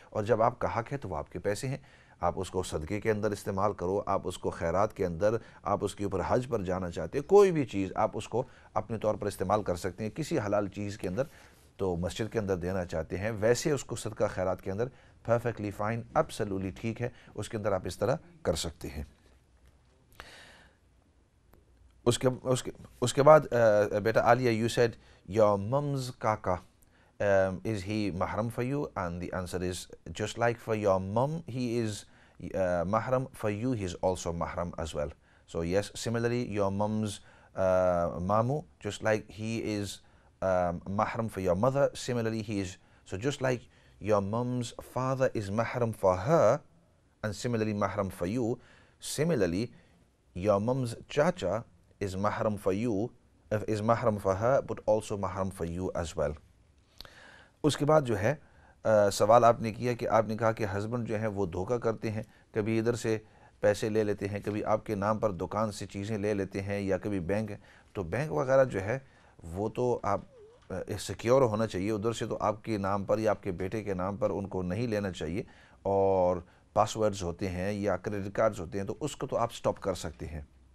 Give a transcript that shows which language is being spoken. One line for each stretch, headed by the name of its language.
Hindi: और जब आपका हक है तो वो आपके पैसे हैं, आप उसको सदके के अंदर इस्तेमाल करो, आप उसको खैरात के अंदर, आप उसके ऊपर हज पर जाना चाहते हो, कोई भी चीज़ आप उसको अपने तौर पर इस्तेमाल कर सकते हैं किसी हलाल चीज़ के अंदर, तो मस्जिद के अंदर देना चाहते हैं वैसे उसको सदका खैरात के अंदर
English: perfectly fine absolutely
Hindi: ठीक है, उसके अंदर आप इस तरह कर सकते हैं। उसके बाद बेटा
English: Aliya, you said your mum's काका, is he mahram for you? And the answer is, just like for your mum, he is mahram for you, he is also mahram as well. So yes, similarly, your mum's mamu, just like he is mahram for your mother, similarly he is, so just like your mum's father is mahram for her, and similarly mahram for you, similarly, your mum's chacha is mahram for you, is mahram for her, but also mahram for you as well.
Hindi: उसके बाद जो है सवाल आपने किया कि आपने कहा कि हस्बैंड जो हैं वो धोखा करते हैं, कभी इधर से पैसे ले लेते हैं, कभी आपके नाम पर दुकान से चीज़ें ले लेते हैं, या कभी बैंक, तो बैंक वगैरह जो है वो तो आप सिक्योर होना चाहिए, उधर से तो आपके नाम पर या आपके बेटे के नाम पर उनको नहीं लेना चाहिए, और पासवर्ड्स होते हैं या क्रेडिट कार्ड्स होते हैं तो उसको तो आप स्टॉप कर सकते हैं।